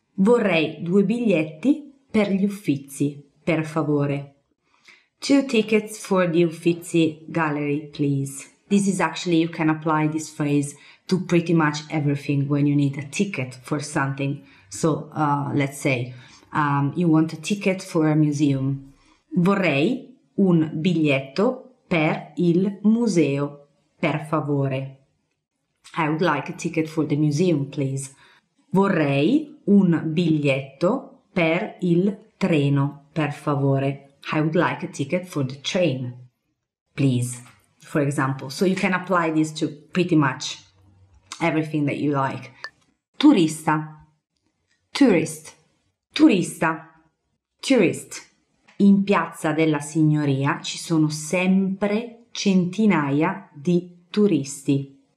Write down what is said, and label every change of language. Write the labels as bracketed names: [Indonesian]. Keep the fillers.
[Italian] Vorrei due biglietti per gli uffizi, per favore. [English] Two tickets for the Uffizi Gallery, please. This is actually, you can apply this phrase to pretty much everything when you need a ticket for something. So uh, let's say um, you want a ticket for a museum, [Italian] Vorrei un biglietto per il museo, per favore. [English] I would like a ticket for the museum, please. [Italian] Vorrei un biglietto per il treno, per favore. [English] I would like a ticket for the train, please, for example. So you can apply this to pretty much everything that you like. [Italian] Turista, tourist, turista, tourist in piazza della signoria ci sono sempre centinaia di turisti